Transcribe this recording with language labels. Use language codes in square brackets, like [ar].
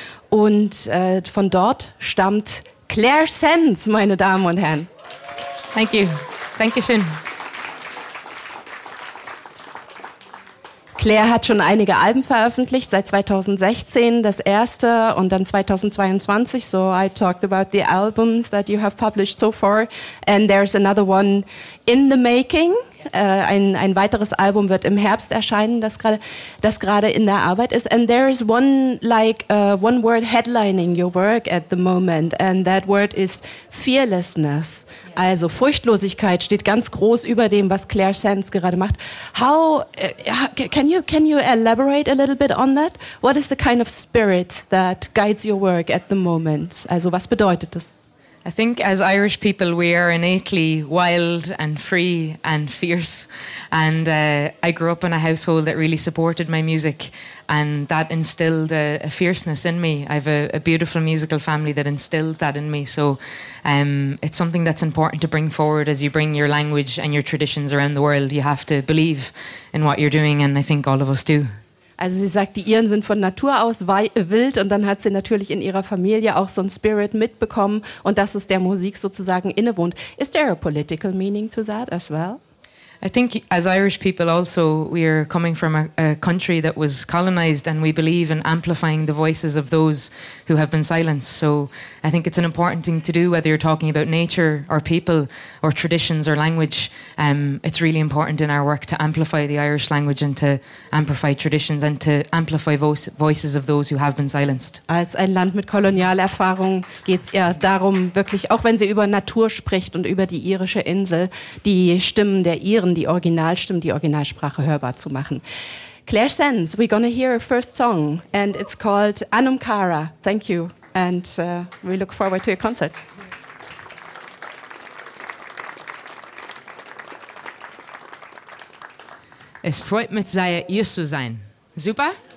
[de] Und von dort stammt Claire Sands, meine Damen und Herren. [en] Thank you. [de] Dankeschön. Claire hat schon einige Alben veröffentlicht, seit 2016 das erste und dann 2022. [en] So I talked about the albums that you have published so far and there's another one in the making. [de] Ein weiteres Album wird im Herbst erscheinen, das gerade in der Arbeit ist. [en] And there is one one word headlining your work at the moment and that word is fearlessness. [de] Also Furchtlosigkeit steht ganz groß über dem, was Claire Sands gerade macht. [en] How can you elaborate a little bit on that? What is the kind of spirit that guides your work at the moment? [de] Also was bedeutet das? [en] I think as Irish people, we are innately wild and free and fierce. And I grew up in a household that really supported my music and that instilled a fierceness in me. I have a beautiful musical family that instilled that in me. So it's something that's important to bring forward as you bring your language and your traditions around the world. You have to believe in what you're doing and I think all of us do. [de] Also sie sagt, die Iren sind von Natur aus wild und dann hat sie natürlich in ihrer Familie auch so ein Spirit mitbekommen und dass es der Musik sozusagen innewohnt. [en] Is there a political meaning to that as well? I think as Irish people also, we are coming from a country that was colonized and we believe in amplifying the voices of those who have been silenced. So I think it's an important thing to do, whether you're talking about nature or people or traditions or language. It's really important in our work to amplify the Irish language and to amplify traditions and to amplify voices of those who have been silenced. [de] Als ein Land mit Kolonialerfahrung geht's ja darum, wirklich, auch wenn sie über Natur spricht und über die irische Insel, die Stimmen der Iren, die Originalstimme, die Originalsprache hörbar zu machen. [en] Claire Sands, we're gonna hear a first song and it's called Anumkara. Thank you and we look forward to your concert. [de] Es freut mich sehr, hier zu sein. Super?